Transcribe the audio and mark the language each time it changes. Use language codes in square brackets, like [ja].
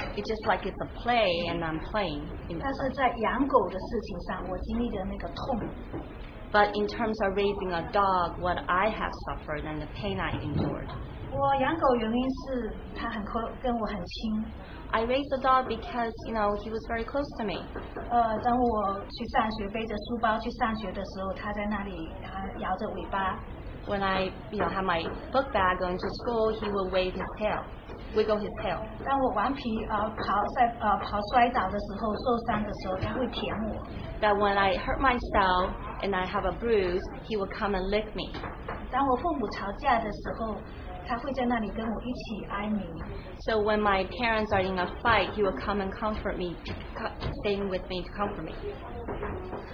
[en] It's just like it's a play, and I'm playing. [zh] 但是在养狗的事情上，我经历的那个痛。 [en] But in terms of raising a dog, what I have suffered and the pain I endured. [zh] 我养狗原因是他很跟我很亲。 [en] I raised the dog because, you know, he was very close to me. [zh] 当我去上学背着书包去上学的时候，他在那里摇着尾巴。 [en] When I, you know, had my book bag going to school, he would wave his tail, wiggle his tail. [zh] 当我顽皮跑摔倒的时候受伤的时候，他会舔我。 [en] That when I hurt myself and I have a bruise, he will come and lick me. [zh] 当我父母吵架的时候，他会在那里跟我一起哀鸣。 [en] So when my parents are in a fight, he will come and comfort me, staying with me to comfort me.